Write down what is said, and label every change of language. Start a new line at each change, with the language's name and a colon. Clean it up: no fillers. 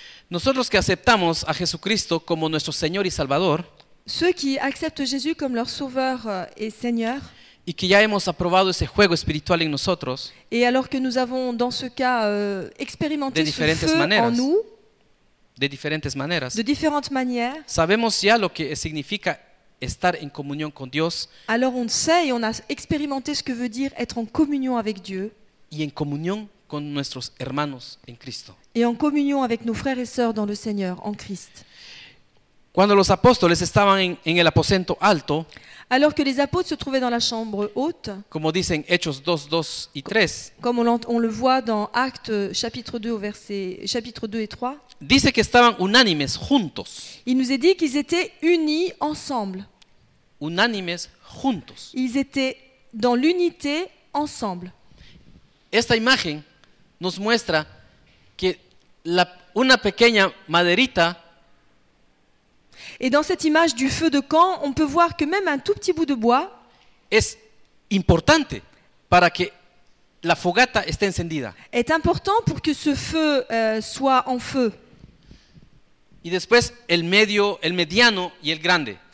Spanish: Nosotros que aceptamos a Jesucristo como nuestro Señor y Salvador,
French: ceux qui acceptent Jésus comme leur sauveur et Seigneur,
Spanish: y que ya hemos aprobado ese juego espiritual en nosotros,
French: et alors que nous avons dans ce cas expérimenté
Spanish: de diferentes
French: ce feu
Spanish: maneras,
French: en nous,
Spanish: de diferentes maneras,
French: de différentes manières,
Spanish: sabemos ya lo que significa estar en comunión con Dios,
French: alors on sait et on a expérimenté ce que veut dire être en communion avec Dieu,
Spanish: y en comunión con nuestros hermanos en Cristo,
French: et en communion avec nos frères et sœurs dans le Seigneur, en Christ.
Spanish: Cuando los apóstoles estaban en el aposento alto,
French: alors que les apôtres se trouvaient dans la chambre haute,
Spanish: como dicen Hechos 2, 2 y 3,
French: comme on le voit dans Actes chapitre 2, verset, chapitre 2 et 3,
Spanish: dice que estaban unánimes juntos.
French: Il nous est dit qu'ils étaient unis ensemble.
Spanish: Unánimes juntos.
French: Ils étaient dans l'unité ensemble.
Spanish: Esta imagen nos muestra que una pequeña maderita.
French: Et dans cette image du feu de camp, on peut voir que même un tout petit bout de bois
Spanish: es importante para que la fogata esté encendida.
French: Est important pour que ce feu soit en feu.
Spanish: Y después el medio, el mediano y el grande.